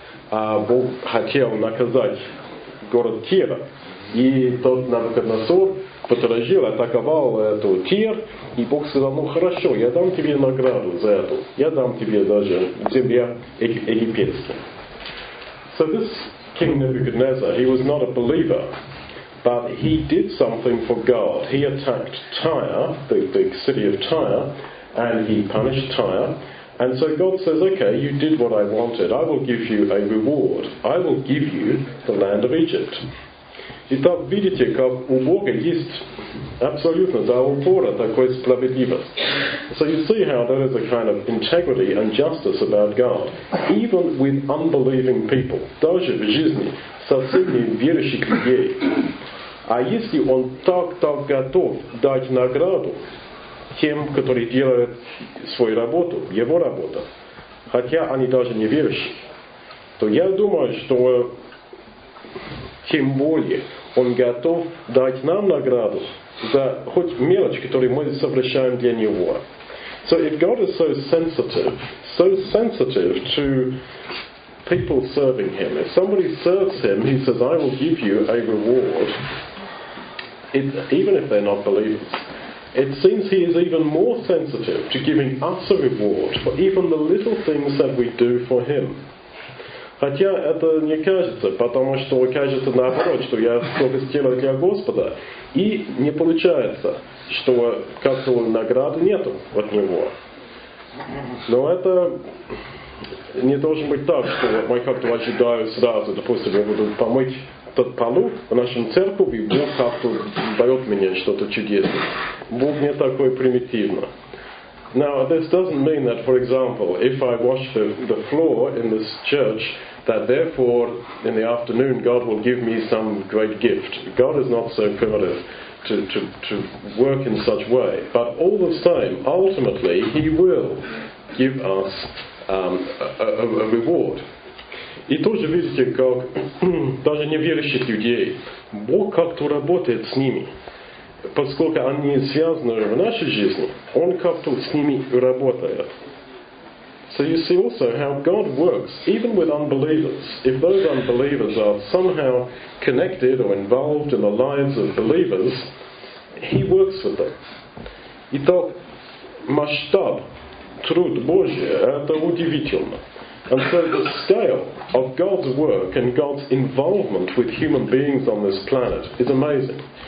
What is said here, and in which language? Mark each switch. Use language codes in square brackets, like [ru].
[ru] А Бог хотел наказать город Тир. И тот Навуходоносор поторожил, атаковал эту Тир. И Бог сказал, ну хорошо, я дам тебе награду за эту. Я дам тебе даже земля египетская. [en] So this King Nebuchadnezzar, he was not a believer, but he did something for God. He attacked Tyre, the city of Tyre, and he punished Tyre. And so God says, okay, you did what I wanted. I will give you a reward. I will give you the land of Egypt. [ru] Итак, видите, как у Бога есть абсолютно за упора такой справедливость. [en] So you see how there is a kind of integrity and justice about God. Even with unbelieving people, [ru] даже в жизни со всеми верующих людей. А если он так готов дать награду тем, которые делают свою работу, его работу, хотя они даже не верующие, то я думаю, что тем более Он готов дать нам награду за хоть мелочь, которую мы совершаем для Него. [en] So if God is so sensitive to people serving Him, if somebody serves Him, He says, I will give you a reward, even if they're not believers. It seems He is even more sensitive to giving us a reward for even the little things that we do for Him. [ru] Хотя это не кажется, потому что кажется наоборот, что я только сделал для Господа, и не получается, что как-то награды нету от Него. Но это не должен быть так, что мы как-то ожидаем сразу, допустим, я буду помыть тот полу в нашем церкви, и Бог как-то дает мне что-то чудесное. Бог не такой примитивный. [en] Now, this doesn't mean that, for example, if I wash the floor in this church, that therefore, in the afternoon, God will give me some great gift. God is not so primitive to work in such way. But all the same, ultimately, He will give us a reward. [ru] И тоже видите, как даже неверующих людей, Бог как-то работает с ними. Поскольку они связаны в нашей жизни, Он как-то с ними работает. [en] So you see also how God works, even with unbelievers. If those unbelievers are somehow connected or involved in the lives of believers, He works with them. [ru] Итак, масштаб, труд Божий, это удивительно. [en] And so the scale of God's work and God's involvement with human beings on this planet is amazing.